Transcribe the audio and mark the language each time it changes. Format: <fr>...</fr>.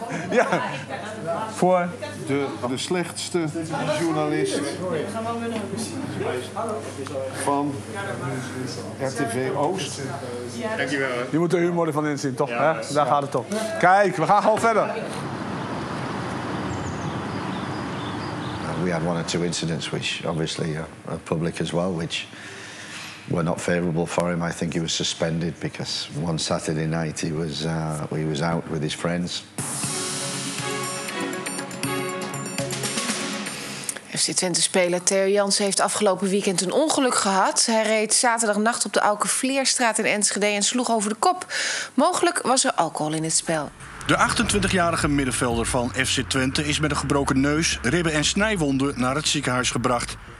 <nl>Ja. Voor de slechtste journalist van RTV Oost. Dankjewel. Je moet er humor van inzien, toch? Ja, hè? Daar gaat het om. Kijk, we gaan gewoon verder.</nl> <en>We had one or two incidents, which obviously are public as well, which were not favourable for him. I think he was suspended because one Saturday night he was out with his friends.</en> <nl>FC Twente-speler Theo Jans heeft afgelopen weekend een ongeluk gehad. Hij reed zaterdagnacht op de Aukevleerstraat in Enschede en sloeg over de kop. Mogelijk was er alcohol in het spel. De 28-jarige middenvelder van FC Twente is met een gebroken neus, ribben en snijwonden naar het ziekenhuis gebracht.</nl>